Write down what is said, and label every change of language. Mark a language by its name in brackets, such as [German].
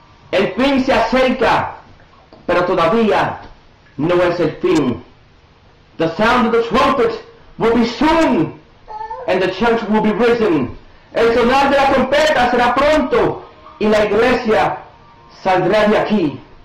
[Spanish] El fin se acerca, pero todavía no es el fin. [English] The sound of the trumpet will be soon, and the church will be risen. [Spanish] El sonar de la trompeta será pronto, y la iglesia saldrá de aquí.